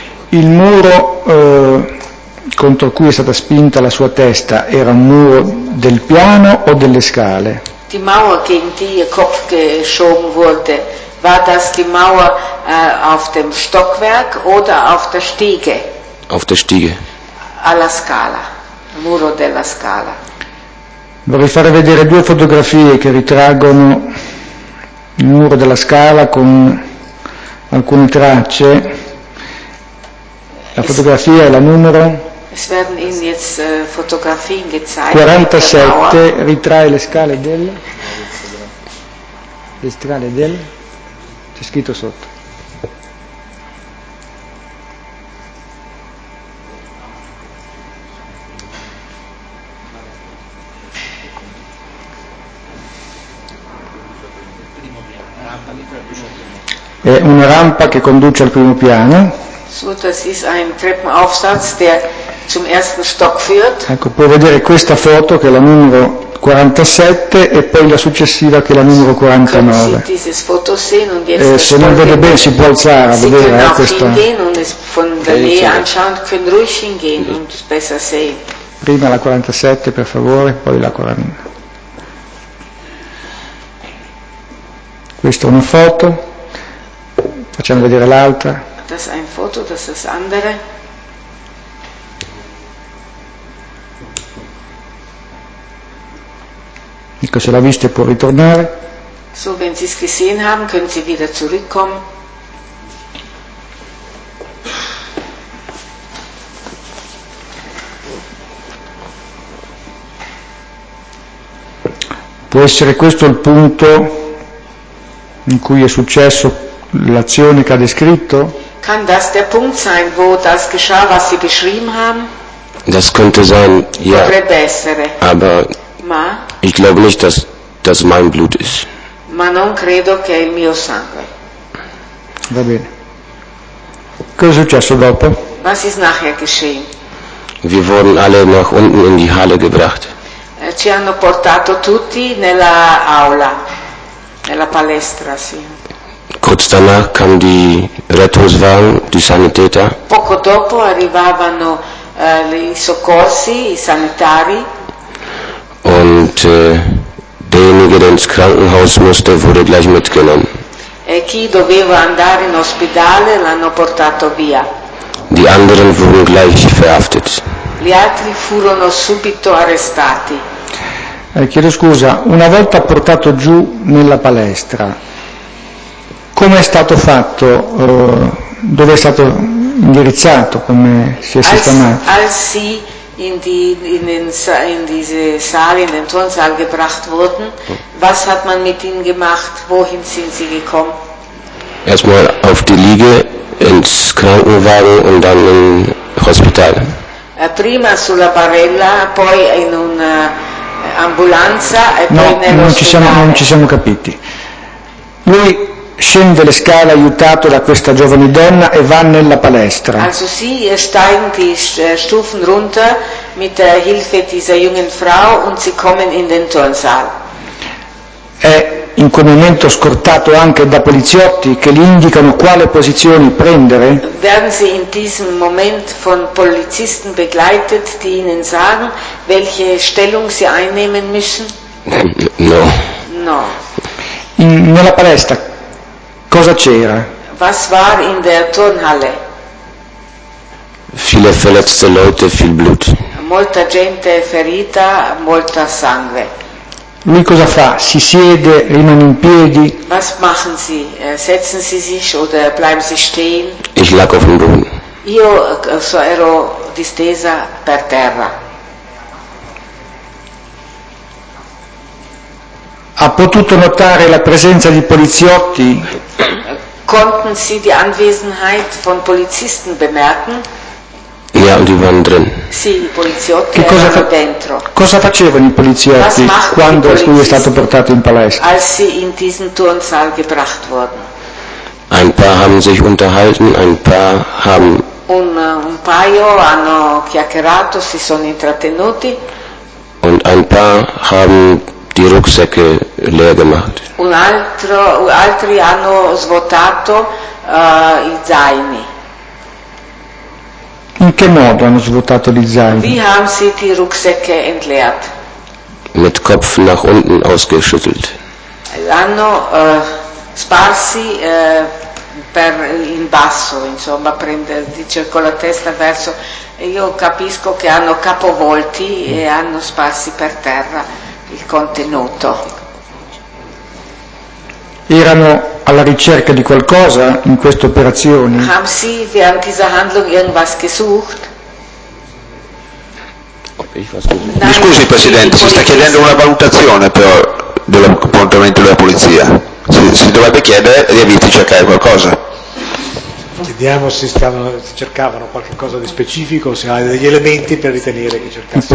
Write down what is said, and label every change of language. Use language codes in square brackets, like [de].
[it] Il muro contro cui è stata spinta la sua testa era un muro del piano o delle scale? [de] Die Mauer gegen die ihr Kopf geschoben wurde, war das die Mauer auf dem Stockwerk oder auf der Stiege? Auf der Stiege. [it] Alla scala, muro della scala. Vorrei fare vedere due fotografie che ritraggono il muro della scala con alcune tracce. La fotografia è la numero? [de] Es werden Ihnen jetzt Fotografien gezeigt. [it] 47 ritrae le scale del? Le scale del? C'è scritto sotto. È una rampa che conduce al primo piano. [de] So, das ist ein Treppenaufsatz, der zum ersten Stock führt. [it] Ecco, puoi vedere questa foto che è la numero 47 e poi la successiva che è la numero 49. [de] Sie dieses Foto sehen und jetzt [it] se non vede bene si può alzare a vedere questa. Prima la 47 per favore, poi la 49. Questa è una foto. Facciamo vedere l'altra. [de] Das ein Foto, das das andere. [it] Ecco, se l'ha vista può ritornare. [de] So, wenn Sie es gesehen haben, können Sie wieder zurückkommen. [it] Può essere questo il punto in cui è successo l'azione che ha descritto? [de] Kann das der Punkt sein, wo das geschah, was Sie beschrieben haben? Das könnte sein, ja. [it] Potrebbe essere. [de] Aber [it] ma? [de] Ich glaube nicht, dass das mein Blut ist. [it] Ma non credo che è il mio sangue. Va bene. Cosa è successo dopo? [de] Was ist nachher geschehen? Wir wurden alle nach unten in die Halle gebracht. [it] Ci hanno portato tutti nella aula, nella palestra, sì. [de] Kurz danach kam die Rettungswagen, die Sanitäter. [it] Poco dopo arrivavano i soccorsi, i sanitari. [de] Und derjenige, der ins Krankenhaus musste, wurde gleich mitgenommen. [it] E chi doveva andare in ospedale l'hanno portato via. [de] Die anderen wurden gleich verhaftet. [it] Gli altri furono subito arrestati. Chiedo scusa, una volta portato giù nella palestra, come è stato fatto, dove è stato indirizzato, come si è sistemato? [de] Als sie in diese Saal, in den Turnsaal gebracht wurden, was hat man mit ihnen gemacht, wohin sind sie gekommen? Erstmal auf die Liege, ins Krankenwagen und dann im Hospital. [it] Prima sulla barella, poi in una ambulanza e poi nell'ospedale. No, non ci siamo capiti. Lui scende le scale aiutato da questa giovane donna e va nella palestra. [de] Also sie steigen die Stufen runter mit der Hilfe dieser jungen Frau und sie kommen in den Turnsaal. [it] È in quel momento scortato anche da poliziotti che gli indicano quale posizione prendere? [de] Werden sie in diesem Moment von Polizisten begleitet, die ihnen sagen, welche Stellung sie einnehmen müssen? [it] No. No. Nella palestra cosa c'era? [de] Was war in der Turnhalle? Viele verletzte Leute, viel Blut. [it] Molta gente ferita, molta sangue. Lui cosa fa? Si siede, rimane in piedi. [de] Was machen Sie? Setzen Sie sich oder bleiben Sie stehen? Ich lag auf dem Boden. [it] Io ero distesa per terra. Ha potuto notare la presenza di poliziotti? [de] Konnten Sie die Anwesenheit von Polizisten bemerken? Ja, und die waren drin. [it] Sì, i poliziotti erano dentro. Cosa facevano i poliziotti quando lui è stato portato in palestra? [de] Als sie in diesen Turnsaal gebracht wurden. Ein paar haben sich unterhalten, ein paar haben... [it] Un paio hanno chiacchierato, si sono intrattenuti. [de] Und ein paar haben die Rucksäcke leer gemacht. [it] Altri hanno svuotato i zaini. In che modo hanno svuotato gli zaini? [de] Wie haben sie die Rucksäcke entleert? Mit Kopf nach unten ausgeschüttelt. [it] L'hanno sparsi per in basso, insomma, dice con la testa verso. Io capisco che hanno capovolti e hanno sparsi per terra il contenuto. Erano alla ricerca di qualcosa in questa operazione? Haben Sie während dieser Handlung irgendwas gesucht? Mi scusi Presidente, si sta chiedendo una valutazione però del comportamento della polizia. Si dovrebbe chiedere di averti cercare qualcosa. Chiediamo se cercavano qualcosa di specifico, se hai degli elementi per ritenere che cercassero.